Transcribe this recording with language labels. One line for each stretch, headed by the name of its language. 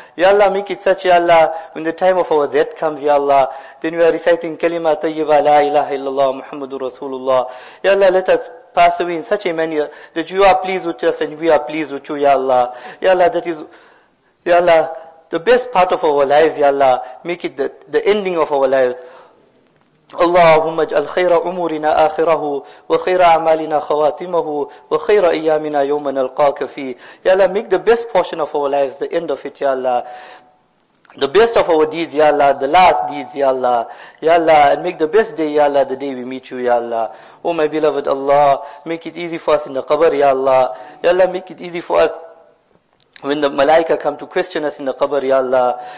English: Ya Allah, make it such, Ya Allah, when the time of our death comes, Ya Allah, then we are reciting kalima tayyiba, la ilaha illallah, Muhammadur Rasulullah. Ya Allah, let us pass away in such a manner that you are pleased with us and we are pleased with you, Ya Allah. Ya Allah, that is, Ya Allah, the best part of our lives, Ya Allah. Make it the ending of our lives.
Arabic: اللهم اجعل خير أمورنا آخره وخير أعمالنا خواتمه وخير أيامنا يوم نلقاك فيه.
English: Ya Allah, make the best portion of our lives, the end of it, Ya Allah. The best of our deeds, Ya Allah, the last deeds, Ya Allah. Ya Allah, and make the best day, Ya Allah, the day we meet you, Ya Allah. Oh my beloved Allah, make it easy for us in the qabr, Ya Allah. Ya Allah, make it easy for us when the malaika come to question us in the qabr, Ya Allah.